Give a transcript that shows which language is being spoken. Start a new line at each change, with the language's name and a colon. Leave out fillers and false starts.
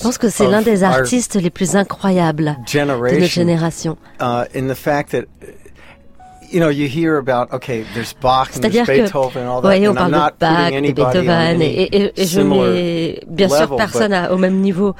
French: pense que c'est l'un des artistes les plus incroyables de notre génération.
English: In the fact that, you know, you hear about, okay, there's Bach, and there's Beethoven, and all that.
French: Ouais, on parle de Bach, de Beethoven, et je n'ai bien sûr personne au même niveau.